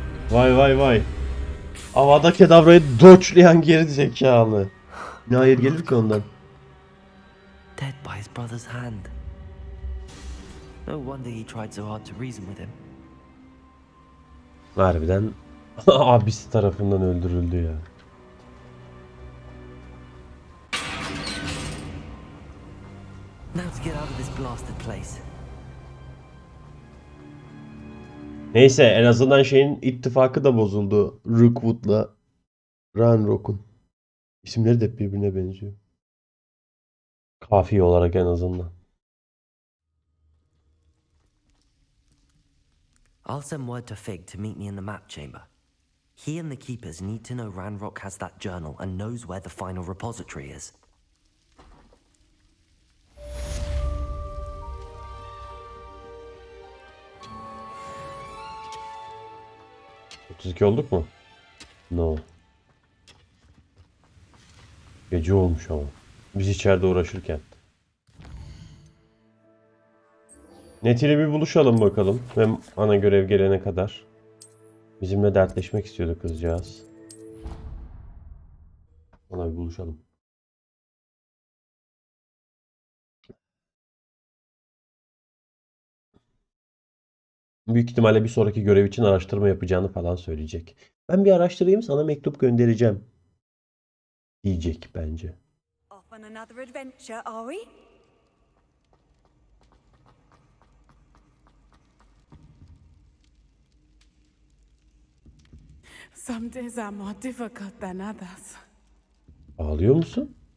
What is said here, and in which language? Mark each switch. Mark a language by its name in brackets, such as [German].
[Turkish] Vay vay vay. Avada Kedavra'yı dodge'layan gerizekalı. Nihayet gelirdik ondan. [English] Dead by his brother's hand. No wonder he tried so hard to reason with him. [Turkish] Harbiden abisi tarafından öldürüldü ya. [English] Now to get out of this blasted place. [Turkish] Neyse, en azından şeyin ittifakı da bozuldu. Rookwood'la Ranrock'un. İsimleri de birbirine benziyor. Kafiye olarak en azından. [English] I'll send word to Fig to meet me in the map chamber. He and the keepers need to know Ranrok has that journal and knows where the final repository is. [Turkish] Otuzki olduk mu? [English] No. [Turkish] Gece olmuş ama. Biz içeride uğraşırken. Netil'i bir buluşalım bakalım. Ve ana görev gelene kadar. Bizimle dertleşmek istiyordu kızcağız. Ona bir buluşalım. Büyük ihtimalle bir sonraki görev için araştırma yapacağını falan söyleyecek. Ben bir araştırayım, sana mektup göndereceğim. Diyecek bence. [English] Off on another adventure, are we? Some days are more difficult than others. [Turkish] Ağlıyor musun?